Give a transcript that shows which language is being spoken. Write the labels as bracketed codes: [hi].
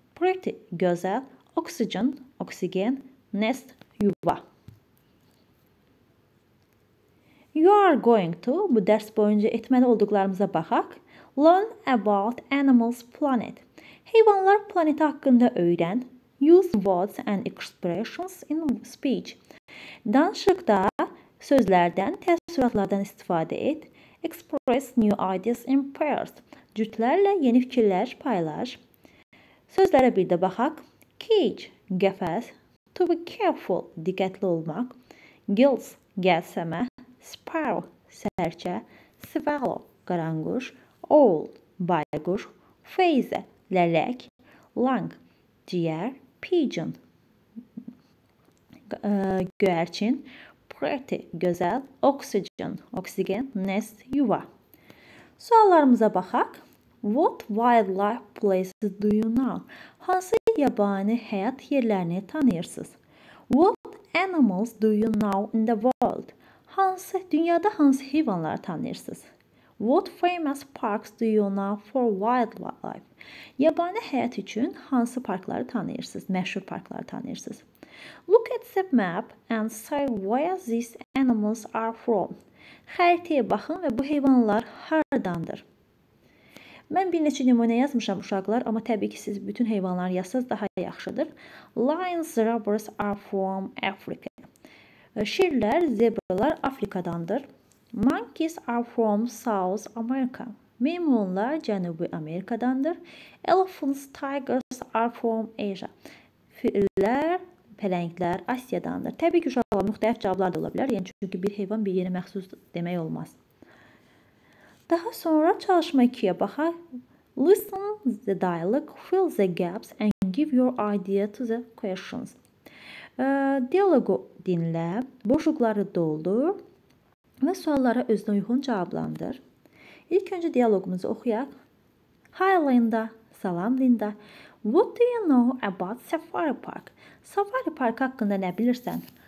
[en] Pretty, gözəl. Oxygen, oksigen. Nest, yuva. You are going to, [az] bu dərs boyunca etməli olduqlarımıza baxaq. [en] Learn about animals planet. [az] Heyvanlar planeti haqqında öyrən. [en] Use words and expressions in speech. [az] Danışıqda sözlərdən, təəssüratlardan istifadə et. [en] Express new ideas in pairs. [az] Cütlərlə yeni fikirlər paylaş. Sözlərə bir də baxaq. Cage, qəfəs. To be careful, diqqətli olmaq. [en] Gills, gəlsəmə. Sparrow, sərçə. Swallow, qaranquş. Owl, bayquş. Phaser, lələk. Lung, ciyər. Pigeon, göyərçin. Pretty, gözəl. Oxygen, oksigen. Nest, yuva. [az] Suallarımıza baxaq. [en] What wildlife places do you know? [az] Hansı yabani həyat yerlərini tanıyırsınız? [en] What animals do you know in the world? [az] Hansı dünyada hansı heyvanları tanıyırsınız? [en] What famous parks do you know for wildlife? [az] Yabani həyat üçün hansı parkları tanıyırsınız? Məşhur parkları tanıyırsınız? [en] Look at the map and say where these animals are from. [az] Xəritəyə baxın və bu heyvanlar haradandır? Mən bir neçə nümunə yazmışam uşaqlar, amma təbii ki, siz bütün heyvanları yazsanız daha yaxşıdır. [en] Lions, zebras are from Africa. [az] Şirlər, zebralar Afrikadandır. [en] Monkeys are from South America. [az] Meymunlar Cənubi Amerikadandır. [en] Elephants, tigers are from Asia. [az] Fillər, pələnglər Asiyadandır. Təbii ki, uşaqlar müxtəlif cavablar da ola bilər. Yəni, çünki bir heyvan bir yerə məxsus demək olmaz. Daha sonra çalışma 2-yə baxaq. [en] Listen the dialogue, fill the gaps and give your idea to the questions. [az] Dialogu dinlə, boşluqları doldur və suallara özünə uyğun cavablandır. İlk öncə dialogumuzu oxuyaq. [en] Hi Linda, [az] salam Linda. [en] What do you know about Safari Park? [az] Safari Park haqqında nə bilirsən?